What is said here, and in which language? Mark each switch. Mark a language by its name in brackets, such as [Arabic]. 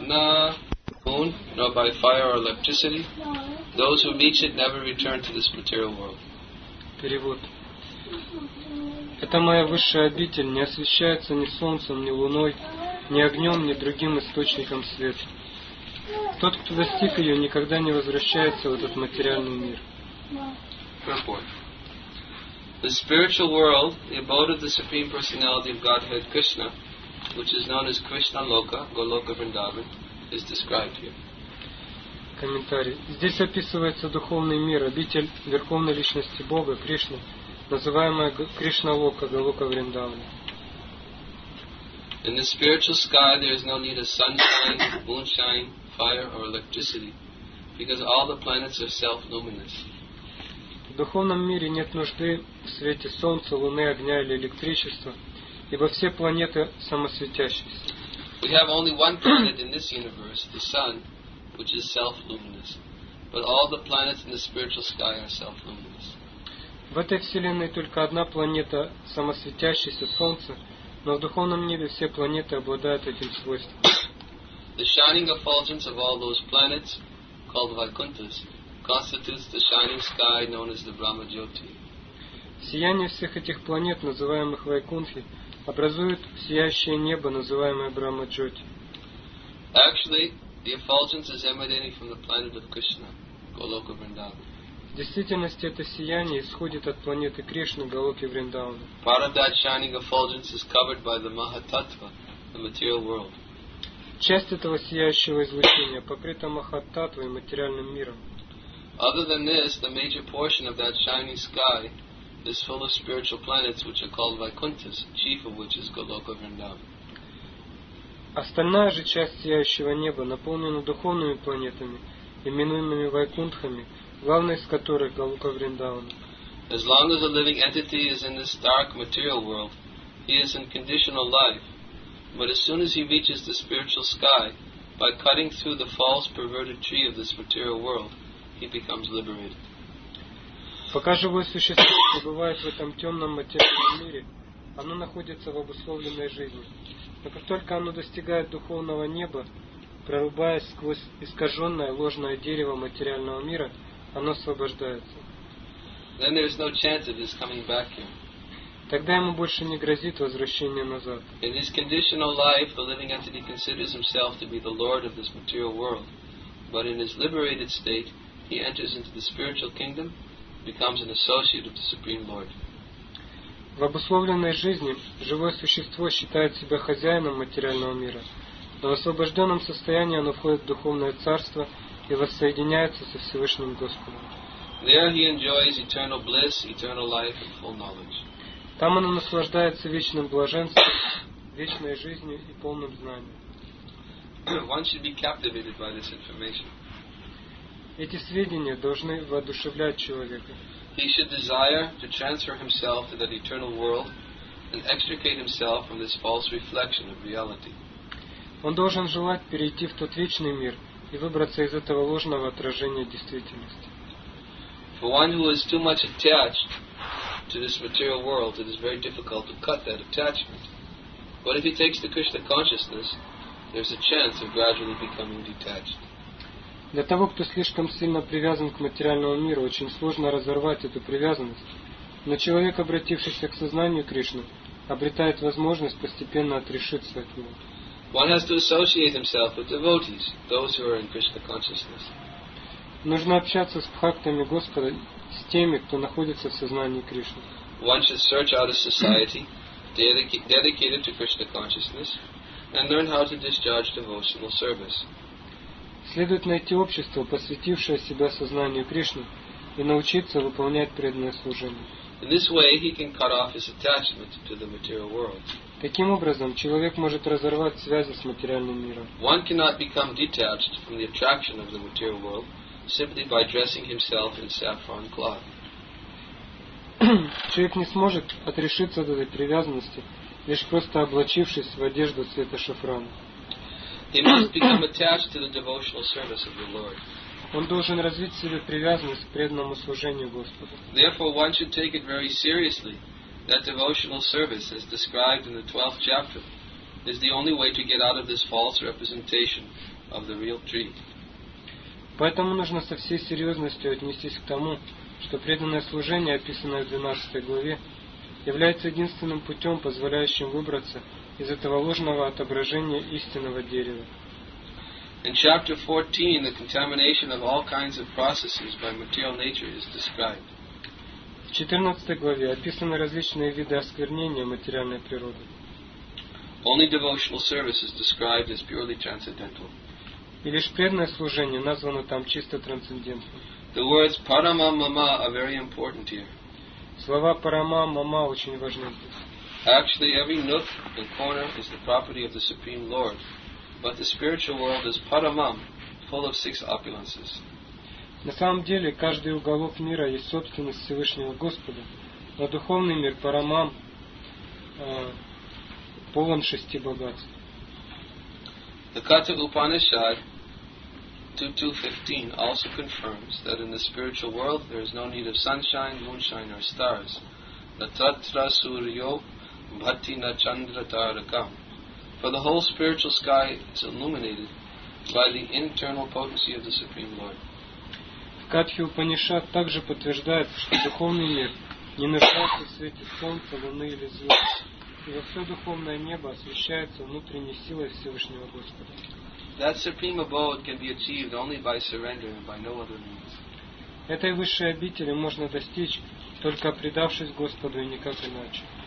[Russian] На [English] moon, nor by fire or electricity, those who reach it never return to this material world. [Russian] Перевод. Это моя высшая обитель не освещается ни солнцем, ни луной, ни огнем, ни другим источником света. Тот, кто достиг ее, никогда не возвращается в этот материальный мир. [English] The spiritual world, the abode of the Supreme Personality of Godhead Krishna, which is known as Krishna Loka, Goloka Vrindavan, is described here. [Russian] Комментарий. Здесь описывается духовный мир, обитель Верховной Личности Бога, Кришна, называемая Кришна Лока, Голока Вриндавана. [English] In the spiritual sky there is no need of sunshine, moonshine, fire or electricity, because all the planets are self-luminous. [Russian] В духовном мире нет нужды в свете солнца, луны, огня или электричества, ибо все планеты самосветящиеся. [English] We have only one planet in this universe, the sun, which is self-luminous, but all the planets in the spiritual sky are self-luminous. [Russian] В этой вселенной только одна планета самосветящаяся, солнце, но в духовном мире все планеты обладают этим свойством. [English] The shining effulgence of all those planets, called Vaikunthas, constitutes the shining sky known as the Brahma Jyoti. [Russian] Сияние всех этих планет, называемых Вайкунтхи, образует сияющее небо, называемое Брахма Джоти. [English] Actually, the effulgence is emanating from the planet of Krishna, Goloka Vrindavan. [Russian] В действительности это сияние исходит от планеты Кришны, Голоки Вриндавана. [English] Part of that shining effulgence is covered by the Mahatattva, the material world. [Russian] Часть этого сияющего излучения покрыта Махаттатвой, материальным миром. [English] Other than this, the major portion of that shining sky is full of spiritual planets, which are called Vaikunthas, chief of which is Goloka Vrindavan. [Russian] Остальная же часть сияющего неба наполнена духовными планетами, именуемыми Вайкунтхами, главной из которых Голока Вриндавана. [English] As long as a living entity is in this dark material world, he is in conditional life. But as soon as he reaches the spiritual sky, by cutting through the false perverted tree of this material world, he becomes liberated. [Russian] Пока живое существо пребывает в этом темном материальном мире, оно находится в обусловленной жизни. Но как только оно достигает духовного неба, прорубаясь сквозь искаженное ложное дерево материального мира, оно освобождается. [English] Then there is no chance of his coming back here. [Russian] Тогда ему больше не грозит возвращение назад. [English] In his conditional life, the living entity considers himself to be the lord of this material world. But in his liberated state, he enters into the spiritual kingdom, becomes an associate of the Supreme Lord. [Russian] В обусловленной жизни живое существо считает себя хозяином материального мира, но в освобожденном состоянии оно входит в духовное царство и воссоединяется со Всевышним Господом. [English] There he enjoys eternal bliss, eternal life, and full knowledge. [Russian] Там оно наслаждается вечным блаженством, вечной жизнью и полным знанием. [English] One should be captivated by this information. [Russian] Эти сведения должны воодушевлять человека. [English] He should desire to transfer himself to that eternal world and extricate himself from this false reflection of reality. [Russian] Он должен желать перейти в тот вечный мир и выбраться из этого ложного отражения действительности. [English] For one who is too much attached to this material world, it is very difficult to cut that attachment. But if he takes the Krishna consciousness, there's a chance of gradually becoming detached. [Russian] Для того, кто слишком сильно привязан к материальному миру, очень сложно разорвать эту привязанность. Но человек, обратившийся к сознанию Кришны, обретает возможность постепенно отрешиться от него. [English] One has to associate himself with devotees, those who are in Krishna consciousness. [Russian] Нужно общаться с бхактами Господа, с теми, кто находится в сознании Кришны. [English] One should search out a society dedicated to Krishna consciousness and learn how to discharge devotional service. [Russian] Следует найти общество, посвятившее себя сознанию Кришны, и научиться выполнять преданное служение. [English] In this way, he can cut off his attachment to the material world. [Russian] Таким образом, человек может разорвать связи с материальным миром. [English] One cannot become detached from the attraction of the material world simply by dressing himself in saffron cloth. [Russian] Человек не сможет отрешиться от этой привязанности, лишь просто облачившись в одежду цвета шафрана. [English] He must become attached to the devotional service of the Lord. [Russian] Он должен развить в себе привязанность к преданному служению Господу. [English] Therefore, one should take it very seriously that devotional service, as described in the 12th chapter, is the only way to get out of this false representation of the real tree. [Russian] Поэтому нужно со всей серьезностью отнестись к тому, что преданное служение, описанное в 12 главе, является единственным путем, позволяющим выбраться из этого ложного отображения истинного дерева. [English] In chapter 14, the contamination of all kinds of processes by material nature is described. [Russian] В 14 главе описаны различные виды осквернения материальной природы. [English] Only devotional service is described as purely transcendental. [Russian] И лишь преданное служение названо там чисто трансцендентным. [English] The words parama mama are very important here. [Russian] Слова парама мама очень важны. [English] Actually, every nook and corner is the property of the Supreme Lord. But the spiritual world is paramam, full of six opulences. [Russian] На самом деле, каждый уголок мира есть собственность Всевышнего Господа, но духовный мир парамам полон шести богатств. [English] The Katha Upanishad 2.2.15 also confirms that in the spiritual world there is no need of sunshine, moonshine or stars. [Sanskrit] Natatra suryo bhati na chandra tarakam. [English] For the whole spiritual sky is illuminated by the internal potency of the Supreme Lord. [Russian] Катхи Упанишад также подтверждает, что духовный мир не нуждается в свете солнца, луны или звезд, и во все духовное небо освещается внутренней силой Всевышнего Господа. [English] That supreme abode can be achieved only by surrender and by no other means. [Russian] Этой высшей обители можно достичь, только предавшись Господу и никак иначе.